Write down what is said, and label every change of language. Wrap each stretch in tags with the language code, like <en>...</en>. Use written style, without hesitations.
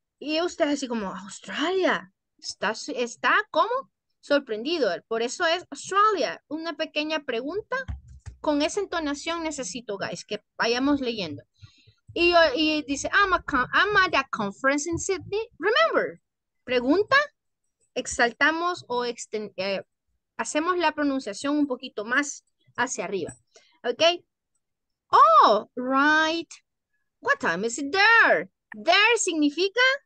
<es>Y usted así como, Australia, está como sorprendido. Por eso es Australia. Una pequeña pregunta con esa entonación necesito, guys, que vayamos leyendo. Y dice,</es> <en>I'm at a conference in Sydney.</en> <es>Remember, pregunta, exaltamos o hacemos la pronunciación un poquito más hacia arriba.</es> <en>Ok. Oh, right. What time is it there?</en> <es>There significa...</es>